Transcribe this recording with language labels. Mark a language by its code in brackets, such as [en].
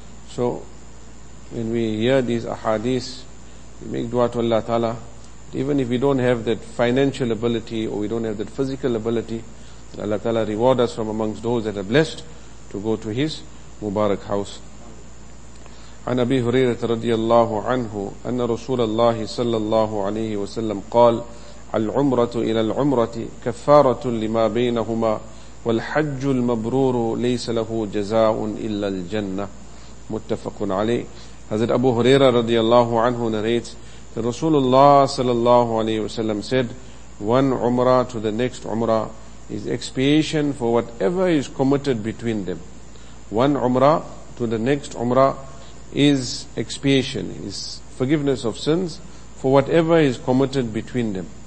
[en] So when we hear these ahadith, we make dua to Allah Ta'ala, even if we don't have that financial ability or we don't have that physical ability, Allah Ta'ala reward us from amongst those that are blessed to go to His Mubarak house. [ar] عن أبي هريرة رضي الله عنه أن رسول الله صلى الله عليه وسلم قال العمرة إلى العمرة كفارة لما بينهما والحج المبرور ليس له جزاء إلا الجنة متفق عليه. [en] حضرت أبو هريرة [ar] رضي الله عنه [en] narrates that رسول الله [ar] صلى الله عليه وسلم [en] said one umrah to the next umrah is expiation for whatever is committed between them. One umrah to the next umrah is expiation, is forgiveness of sins for whatever is committed between them.